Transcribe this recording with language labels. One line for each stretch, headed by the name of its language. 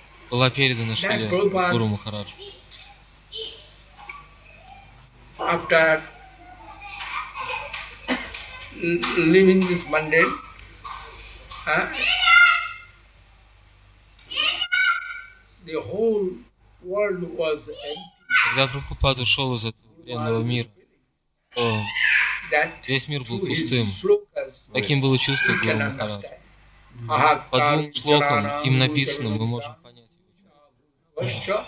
Russian: Была передана Шриле Гуру Махараджу.
English: After leaving this mundane, the whole world was empty.
Russian: Когда Прабхупад ушел из этого временного мира, то весь мир был пустым. Таким было чувство Гуру Махараджу. по двум шлокам им написано, мы можем понять его